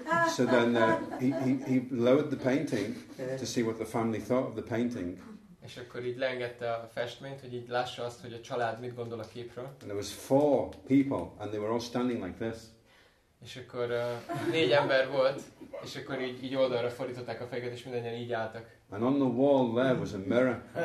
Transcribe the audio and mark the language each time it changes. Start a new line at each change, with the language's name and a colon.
English: So then he lowered the painting to see what the family thought of the painting.
Hungarian: És akkor így leengedte a festményt, hogy így lássa azt, hogy a család mit gondol a képről.
English: And there was four people and they were all standing like this.
Hungarian: És akkor négy ember volt, és akkor így oldalra fordították a fejüket, és mindannyian így álltak.
English: And on the wall there was a mirror.